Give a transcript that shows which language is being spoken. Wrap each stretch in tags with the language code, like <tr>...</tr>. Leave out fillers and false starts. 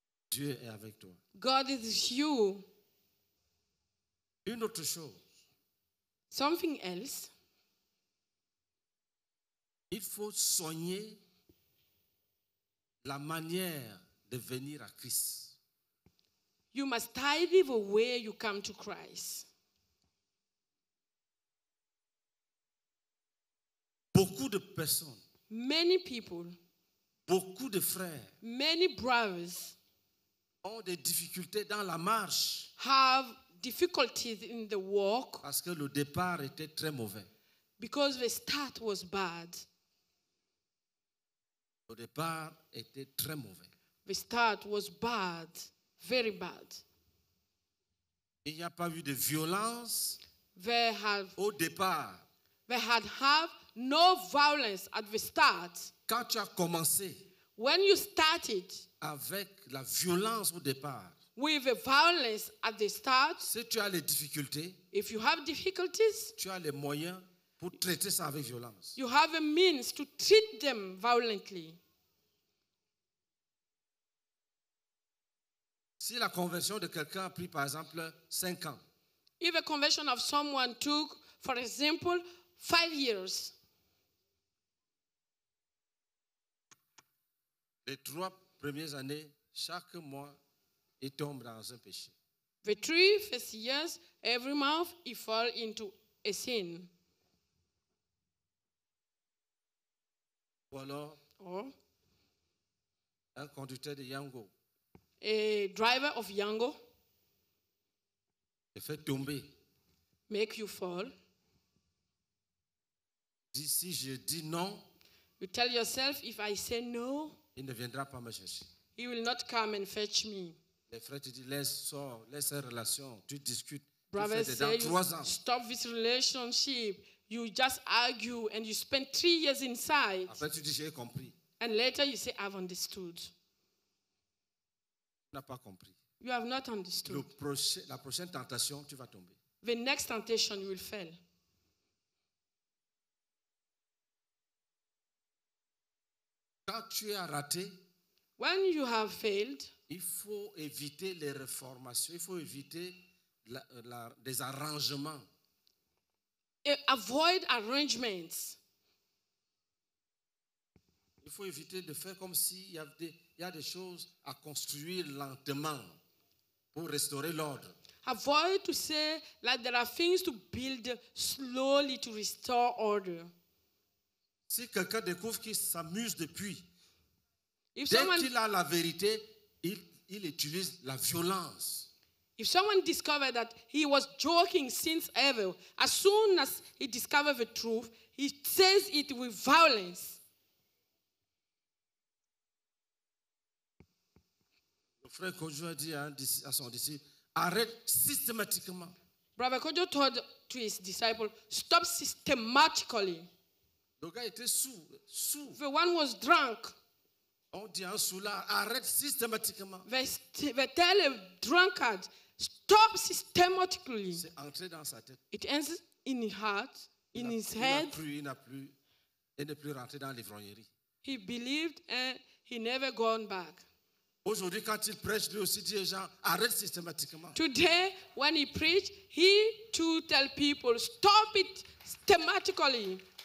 <fr>Dieu est avec toi.</fr> <en>God is with you.</en> <fr>Une autre chose.</fr> <en>Something else.</en> <fr>Il faut soigner la manière de venir à Christ.</fr> <en>You must tidy the way you come to Christ.</en> <fr>Beaucoup de personnes.</fr> <en>Many people.</en> <fr>Beaucoup de frères.</fr> <en>Many brothers.</en> <fr>Ont des difficultés dans la marche.</fr> <en>Have difficulties in the walk.</en> <fr>Parce que le départ était très mauvais.</fr> <en>Because the start was bad.</en> <fr>Le départ était très mauvais.</fr> <en>The start was bad, very bad.</en> <fr>Il n'y a pas eu de violence au départ.</fr> <en>They had have no violence at the start.</en> <fr>Quand tu as commencé,</fr> <en>when you started,</en> <fr>avec la violence au départ,</fr> <en>with the violence at the start,</en> <fr>si tu as les difficultés,</fr> <en>if you have difficulties,</en> <fr>tu as les moyens pour traiter ça avec violence.</fr> <en>You have a means to treat them violently.</en> <fr>Si la conversion de quelqu'un a pris, par exemple, 5 ans,</fr> <en>if a conversion of someone took, for example, 5 years,</en> <fr>les 3 premières années, chaque mois, il tombe dans un péché.</fr> <en>The 3 first years, every month, he falls into a sin.</en> <fr>Ou alors,</fr> <en>oh,</en> <fr>un conducteur de Yango.</fr> <en>A driver of Yango.</en> <fr>Te fait tomber.</fr> <en>Make you fall.</en> <fr>Dis, si je dis non,</fr> <en>you tell yourself, if I say no,</en> <fr>il ne viendra pas me chercher.</fr> <en>He will not come and fetch me.</en> <fr>Les frères te disent, laisse, sors, laisse cette relation, tu discutes.</fr> <en>Brother,</en> <fr>tu fais dedans 3 ans.</fr> <en>Stop this relationship. You just argue and you spend 3 years inside.</en> <fr>Après, tu dis, j'ai compris.</fr> <en>And later you say, I've understood.</en> <fr>Tu n'as pas compris.</fr> <en>You have not understood.</en> <fr>La prochaine tentation, tu vas tomber.</fr> <en>The next temptation, you will fail.</en> <fr>Quand tu as raté,</fr> <en>when you have failed,</en> <fr>il faut éviter les réformations, il faut éviter des arrangements.</fr> <en>Avoid arrangements.</en> <fr>Il faut éviter de faire comme s'il y a des choses à construire lentement pour restaurer l'ordre.</fr> <en>Avoid to say that there are things to build slowly to restore order.</en> <fr>Si quelqu'un découvre qu'il s'amuse depuis, dès qu'il a la vérité, il utilise la violence.</fr> <en>If someone discovered that he was joking since ever, as soon as he discovered the truth, he says it with violence.</en> <fr>Le frère Kojo a dit à son disciple, arrête systématiquement.</fr> <en>Brother Kojo told to his disciple, stop systematically.</en> <fr>Le gars était sous.</fr> <en>The one was drunk.</en> <fr>On dit à un soulard, arrête systématiquement.</fr> <en>They tell a drunkard, stop systematically.</en> <fr>C'est entré dans sa tête.</fr> <en>It ends in his heart, in his head.</en> <fr>Il n'est plus rentré dans l'ivrognerie.</fr> <en>He believed and he never gone back.</en> <fr>Aujourd'hui, quand il prêche, lui aussi dit aux gens, arrête systématiquement.</fr> <en>Today, when he preached, he too tell people, stop it systematically.</en>